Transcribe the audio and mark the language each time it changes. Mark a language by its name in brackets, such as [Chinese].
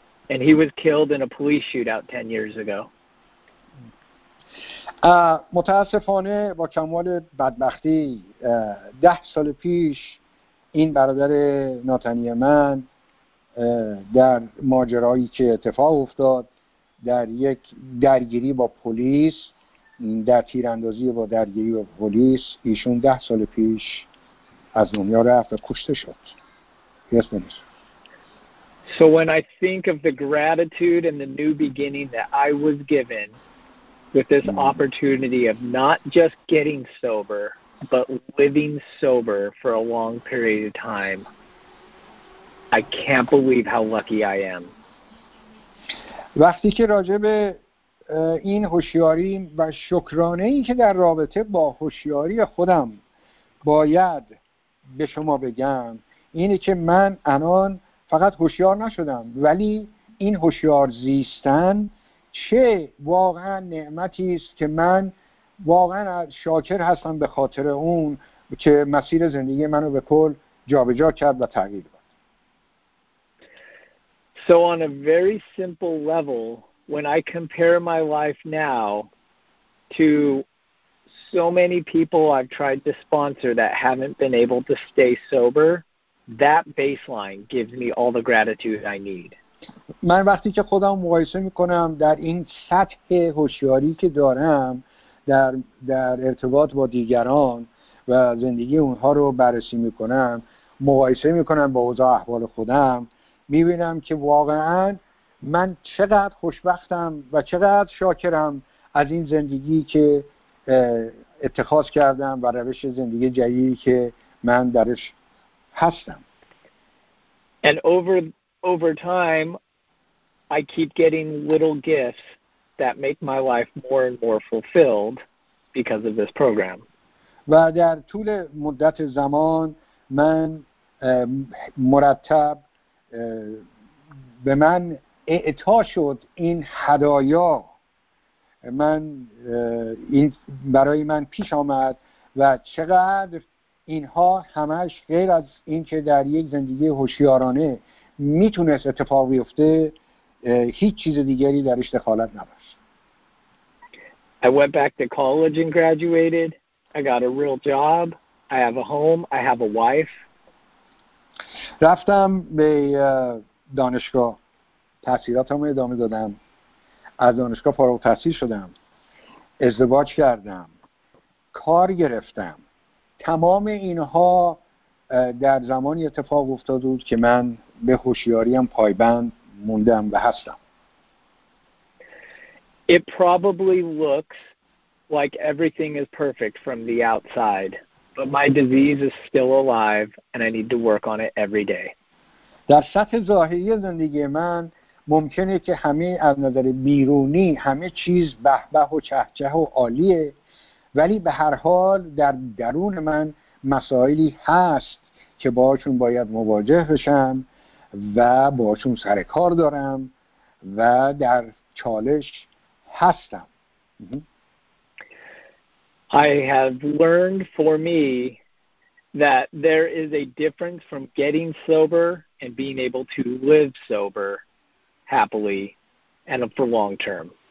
[English] And he was killed in a police shootout 10 years ago. [Persian] متاسفانه با کمال بدبختی 10 سال پیش این برادر ناتنی من در ماجرایی که اتفاق افتاد در یک درگیری با پلیس، در تیراندازی با درگیری با پلیس، ایشون 10 سال پیش از دنیا رفت و کشته شد. [English] So when I think of the gratitude and the new beginning that I was given with this opportunity of not just getting sober but living sober for a long period of time, I can't believe how lucky I am. [Persian] وقتی که راجع به این هوشیاری و شکرانه ای که در رابطه با هوشیاری خودم باید به شما بگم، اینه که من الان فقط هوشیار نشدم، ولی این هوشیار زیستن چه واقعا نعمتی است که من واقعا شاکر هستم به خاطر اون که مسیر زندگی منو به کل جابجا کرد و تغییر داد. [English] So on a very simple level, when I compare my life now to so many people I've tried to sponsor that haven't been able to stay sober, that baseline gives me all the gratitude I need. [Persian] من وقتی که خودم مقایسه میکنم در این سطح هوشیاری که دارم در ارتباط با دیگران و زندگی اونها رو بررسی میکنم، مقایسه میکنم با اوضاع احوال خودم، میبینم که واقعا من چقدر خوشبختم و چقدر شاکرم از این زندگی که اتخاذ کردم و روش زندگی جدیدی که من درش هستم. [English] And over time, I keep getting little gifts that make my life more and more fulfilled because of this program. [Persian] و در طول مدت زمان من مرتب به من اعطا شد این هدایا، من این برای من پیش آمد و چقدر اینها همش غیر از این که در یک زندگی هوشیارانه میتونست اتفاق بیفته هیچ چیز دیگری درش دخالت نداشت. [English] I went back to college and graduated. I got a real job. I have a home. I have a wife. [Persian] رفتم به دانشگاه. تحصیلاتم ادامه دادم. از دانشگاه فارغ التحصیل شدم. ازدواج کردم. کار گرفتم. تمام اینها در زمانی اتفاق افتاده بود که من به هوشیاریم پایبند موندم و هستم. [English] It probably looks like everything is perfect from the outside, but my disease is still alive and I need to work on it every day. [Persian] در سطح ظاهری زندگی من ممکنه که همه از نظر بیرونی همه چیز به به و چهچه و عالیه، ولی به هر حال در درون من مسائلی هست که باهاشون باید مواجه بشم و باهاشون سر کار دارم و در چالش هستم. [English] I have learned for me that there is a difference from getting sober and being able to live sober happily and for long term.